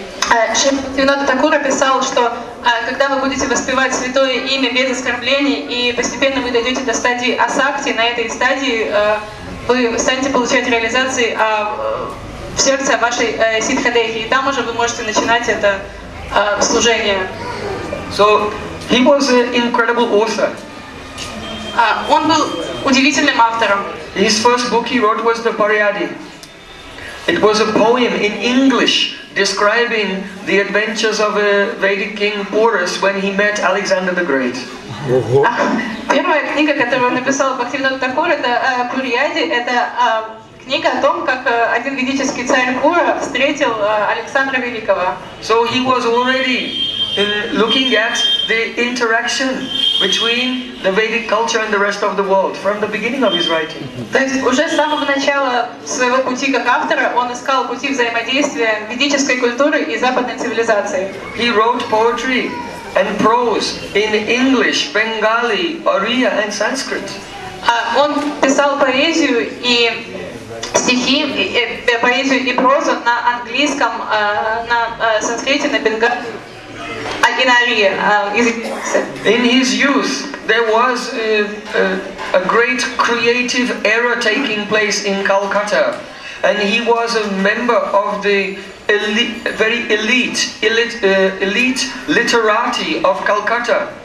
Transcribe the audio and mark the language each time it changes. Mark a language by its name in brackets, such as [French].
[Russian] Бхактивинода Такура писал, что когда вы будете воспевать святое имя без оскорблений и постепенно вы дойдете до стадии асакти, на этой стадии вы станете получать реализации в сердце вашей сиддхадехи, и там уже вы можете начинать это служение. [English] So, he was an incredible author. [Russian] Он был удивительным автором. [English] His first book he wrote was the Pariyadi. It was a poem in English describing the adventures of a Vedic king Porus when he met Alexander the Great. [Russian] Первая книга, которую он написал Бхактивинода Такура, это Пурьяди. Это книга о том, как один ведический царь Пура встретил Александра Великого. [English] So he was already looking at the interaction between the Vedic culture and the rest of the world from the beginning of his writing. [Russian] То есть уже с самого начала своего пути как автора он искал пути взаимодействия ведической культуры и западной цивилизации. [English] He wrote poetry and prose in English, Bengali, Oriya, and Sanskrit. [Russian] Он писал поэзию и стихи, поэзию и прозу на английском, на санскрите, на бенгали. [English] In his youth, there was a great creative era taking place in Calcutta, and he was a member of the elite literati of Calcutta.